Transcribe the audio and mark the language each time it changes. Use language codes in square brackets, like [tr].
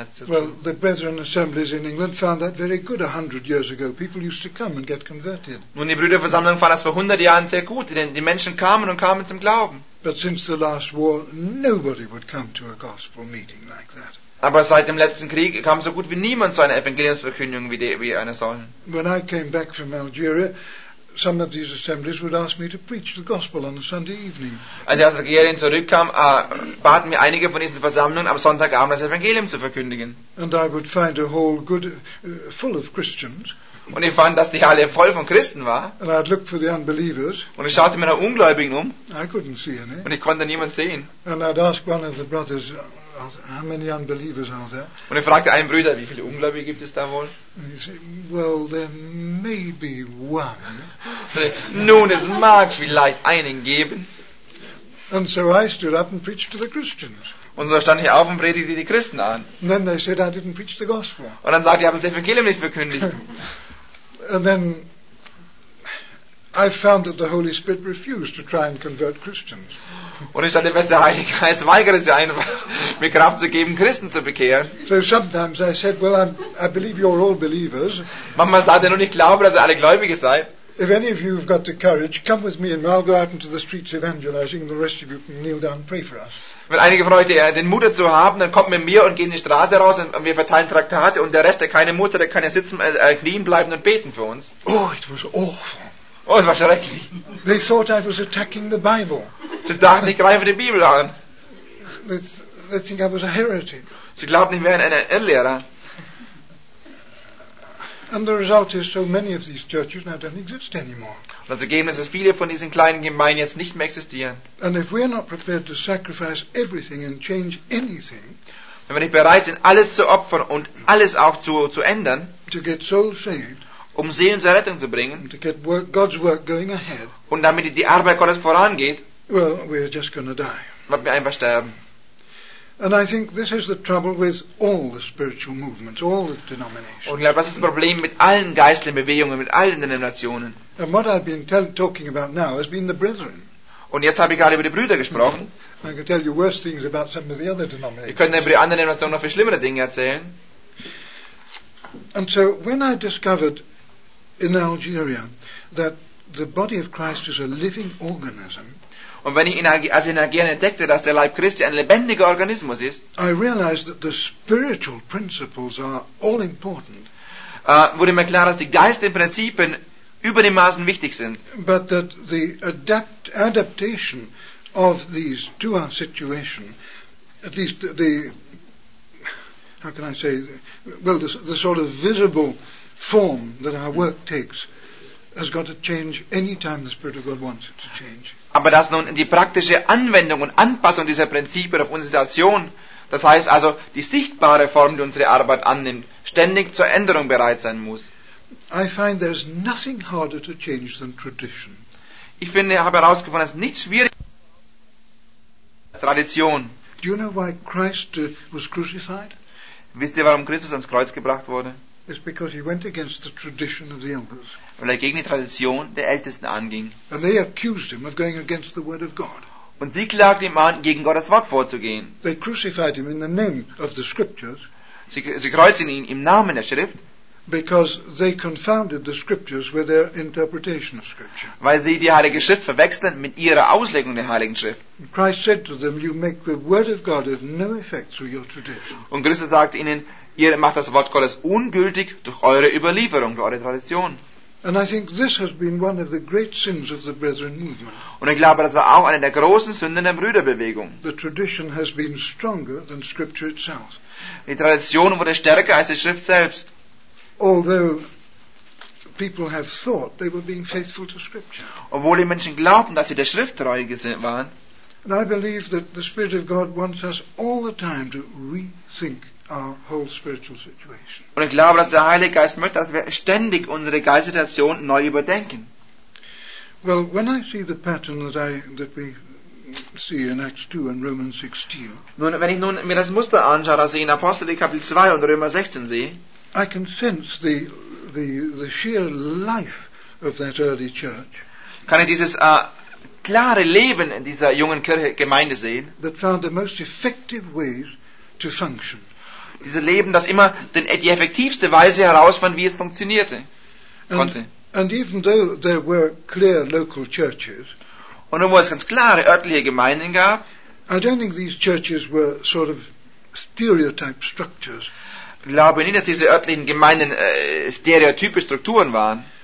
[en] Well, the brethren assemblies in England found that very good 100 years ago. People used to come and get converted. [de] Nun, die Brüderversammlungen fanden das vor 100 Jahren sehr gut, denn die Menschen kamen und kamen zum Glauben. [en] But since the last war, nobody would come to a gospel meeting like that. [de] Aber seit dem letzten Krieg kam so gut wie niemand zu einer Evangeliumsverkündigung wie einer sollen. [en] When I came back from Algeria, some of these assemblies would ask me to preach the gospel on a Sunday evening. [de] Als ich aus Algerien zurückkam, baten mir einige von diesen Versammlungen am Sonntagabend das Evangelium zu verkündigen. [en] And I would find a hall good, full of Christians. [de] Und ich fand, dass die Halle voll von Christen war. [en] And I'd look for the unbelievers. [de] Und ich schaute mir nach Ungläubigen um. [en] I couldn't see any. [de] Und ich konnte niemanden sehen. [en] And I'd ask one of the brothers, how many unbelievers are there? [de] Und ich fragte einen Bruder, wie viele Ungläubige gibt es da wohl? [en] And he said, well, there may be one. [de] Nun, es mag vielleicht einen geben. [en] And so I stood up and preached to the Christians. [de] Und so stand ich auf und predigte die Christen an. [en] And then they said, I didn't preach the gospel. [de] Und dann sagte ich, habe das Evangelium nicht verkündigt. [en] And then I found that the Holy Spirit refused to try and convert Christians. [de] Und ich stelle fest, der Heilige Geist weigere sich einfach, mir Kraft zu geben, Christen zu bekehren. [en] So sometimes I said, well, I believe you're all believers. [de] Manchmal sagt er nur, ich glaube, dass ihr alle Gläubige seid. [en] If any of you have got the courage, come with me and I'll go out into the streets evangelizing. The rest of you can kneel down and pray for us. [de] Wenn einige von euch den Mut dazu haben, dann kommt mit mir und geht in die Straße raus und wir verteilen Traktate und der Rest, der keine Mut hat, der kann ja sitzen, knien bleiben und beten für uns. [en] Oh, it was awful. [de] Oh, es war schrecklich. [en] They thought I was attacking the Bible. [de] Sie dachten, ich greife die Bibel an. [en] They think I was a heretic. [de] Sie glaubten, ich wäre ein Irrlehrer. [en] And the result is so many of these churches now don't exist anymore. [de] Und das Ergebnis ist, viele von diesen kleinen Gemeinden jetzt nicht mehr existieren. [en] And if we're not prepared to sacrifice everything and change anything, [de] wenn wir nicht bereit sind, alles zu opfern und alles auch zu ändern, [en] to get souls saved, [de] um Seelen zur Rettung zu bringen, [en] to get work, God's work going ahead, [de] und damit die Arbeit Gottes vorangeht, [en] well, we're just gonna die. [de] Werden wir einfach sterben. [en] And I think this is the trouble with all the spiritual movements, all the denominations. [de] Und glaube, das ist das Problem mit allen geistlichen Bewegungen, mit allen Denominationen. [en] And what I've been talking about now has been the brethren. [de] Und jetzt habe ich gerade über die Brüder gesprochen. [en] I can tell you worse things about some of the other denominations. [de] Ich könnte über die anderen Denominationen noch viel schlimmere Dinge erzählen. [en] And so when I discovered in Algeria that the body of Christ is a living organism. [de] Und wenn ich in Algerien entdeckte, dass der Leib Christi ein lebendiger Organismus ist, [en] I realized that the spiritual principles are all important. [de] Wurde mir klar, dass die geistlichen Prinzipien über dem Maßen wichtig sind. [en] But that the adaptation of these to our situation, at least the, how can I say, well, the sort of visible form that our work takes, has got to change any time the Spirit of God wants it to change. [de] Aber dass nun die praktische Anwendung und Anpassung dieser Prinzipien auf unsere Situation, das heißt also die sichtbare Form, die unsere Arbeit annimmt, ständig zur Änderung bereit sein muss. [en] I find there's nothing harder to change than tradition. [de] Ich finde, ich habe herausgefunden, es ist nicht schwieriger als Tradition. [en] Do you know why Christ was crucified? [de] Wisst ihr, warum Christus ans Kreuz gebracht wurde? [en] It's because he went against the tradition of the elders. [de] Weil er gegen die Tradition der Ältesten anging. [en] And they accused him of going against the word of God. [de] Und sie klagten ihm an, gegen Gottes Wort vorzugehen. [en] They crucified him in the name of the scriptures. [de] Sie kreuzten ihn im Namen der Schrift. [en] Because they confounded the scriptures with their interpretation of scripture. [de] Weil sie die Heilige Schrift verwechselten mit ihrer Auslegung der Heiligen Schrift. [en] Christ said to them, "You make the word of God of no effect through your tradition." [de] Und Christus sagte ihnen, ihr macht das Wort Gottes ungültig durch eure Überlieferung, durch eure Tradition. Und ich glaube, das war auch eine der großen Sünden der Brüderbewegung. [en] The tradition has been stronger than scripture itself. [de] Die Tradition wurde stärker als die Schrift selbst. [en] Although people have thought they were being faithful to scripture. [de] Obwohl die Menschen glaubten, dass sie der Schrift treu waren. [en] And I believe that the Spirit of God wants us all the time to rethink our whole spiritual situation. [de] Und ich glaube, dass der Heilige Geist möchte, dass wir ständig unsere Geistsituation neu überdenken. [en] Well, when I see the pattern that we see in Acts 2 and Romans 16. [de] Nun, wenn ich nun mir das Muster anschaue, das ich in Apostel Kapitel 2 und Römer 16 sehe, [en] I can sense the sheer life of that early church. [de] Kann ich dieses klare Leben in dieser jungen Kirche Gemeinde sehen? [en] That found the most effective ways to function. [de] Dieses Leben, das immer die effektivste Weise herausfand, wie es funktionierte, konnte. [en] And even though there were clear local churches, [de] und obwohl es ganz klare örtliche Gemeinden gab, [en] I don't think these churches were sort of stereotype structures. [de] Glaube nicht, dass diese örtlichen Gemeinden stereotype Strukturen waren.